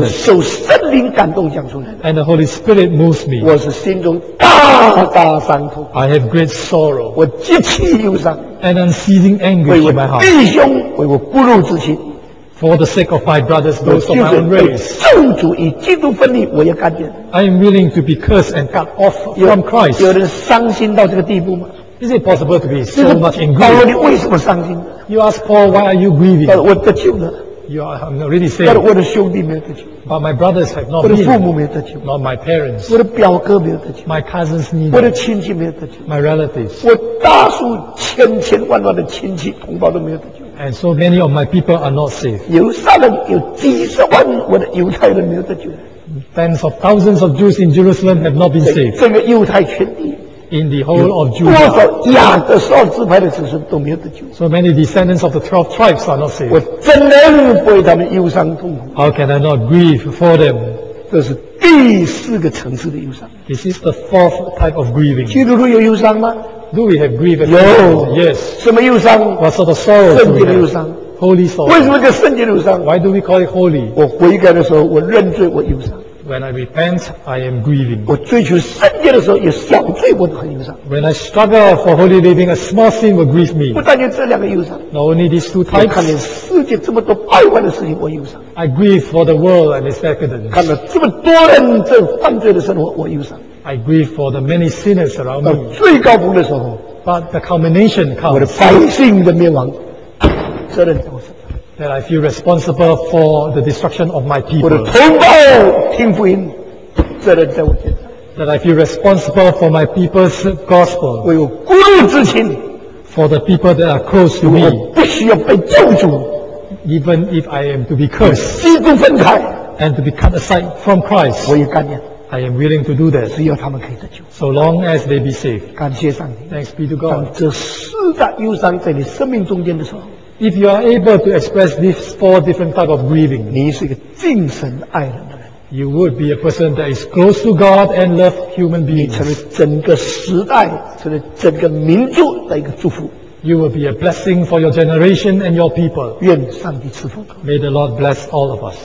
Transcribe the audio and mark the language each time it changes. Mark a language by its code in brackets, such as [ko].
[zh] 我是受圣灵感动讲出来的。 [en] And the Holy Spirit moves me. [zh] 我是心中大大伤痛。 [en] I have great sorrow. [zh] 我极其忧伤。 [en] And unceasing anguish in my heart. [zh] 为我弟兄，为我骨肉之亲。 [en] For the sake of my brothers, those of my own race. [zh] 受主与基督分离，我也甘愿。 [en] I am willing to be cursed and cut off from Christ. [zh] 有人伤心到这个地步吗？ [en] Is it possible to be so much in grief? [zh] 保罗，你为什么伤心？ [en] You ask Paul, why are you grieving? [zh] 我得救了。 [en] You are, I'm really saying. [zh] 但我的兄弟没得救。 [en] But my brothers have not. [zh] 我的父母没得救。 [en] Not my parents. [zh] 我的表哥没得救。 [en] My cousins neither. [zh] 我的亲戚没得救。 [en] My relatives. [zh] 我大数千千万万的亲戚同胞都没得救。 [en] And so many of my people are not saved. [zh] 犹太人有几十万，我的犹太人没得救。 [en] Tens of thousands of Jews in Jerusalem have not been saved. [zh] 整个犹太全地。 [en] In the whole of Judah, [zh] 多少亚各十二支派的子孙都没有得救。 [en] So many descendants of the 12 tribes are not saved. [zh] 我怎能为他们忧伤痛苦？ [en] How can I not grieve for them? [zh] 这是第四个层次的忧伤。 [en] This is the fourth type of grieving. [zh] 基督徒有忧伤吗？ [en] Do we have grief? [zh] 有。 [en] Yes. [zh] 什么忧伤？ [en] What sort of sorrow? [zh] 圣洁的忧伤。 [en] Holy sorrow. [zh] 为什么叫圣洁的忧伤？ [en] Why do we call it holy? [zh] 我悔改的时候，我认罪，我忧伤。 [en] When I repent, I am grieving. [zh] 我追求圣洁的时候，有小罪我都很忧伤。 [en] When I struggle for holy living, a small sin will grieve me. [zh] 不但有这两个忧伤。 [en] Not only these two types. [zh] 我看见世界这么多败坏的事情，我忧伤。 [en] I grieve for the world and its decadence. [zh] 看到这么多人在犯罪的生活，我忧伤。 [en] I grieve for the many sinners around me. [zh] 到最高峰的时候。 [en] But the culmination comes. [zh] 我的百姓的灭亡，责任在我身上。 [en] That I feel responsible for the destruction of my people. [zh] 我的同胞听福音，责任在我肩上。 [en] That I feel responsible for my people's gospel. [zh] 为我骨肉之亲。 [en] For the people that are close to me. [zh] 我必须要被救主。 [en] Even if I am to be cursed. [zh] 基督分开。 [en] And to be cut aside from Christ. [zh] 我也甘愿。 [en] I am willing to do that. [zh] 只要他们可以得救。 [en] So long as they be saved. [zh] 感谢上帝。 [en] Thanks be to God. [zh] 当这四大忧伤在你生命中间的时候。 [en] If you are able to express these four different types of grieving, [zh] 你是一个敬神爱人的人。 [en] You would be a person that is close to God and love human beings. [zh] 你成为整个时代，成为整个民族，的一个祝福。 [en] You will be a blessing for your generation and your people. [zh] 愿上帝赐福。 [en] May the Lord bless all of us.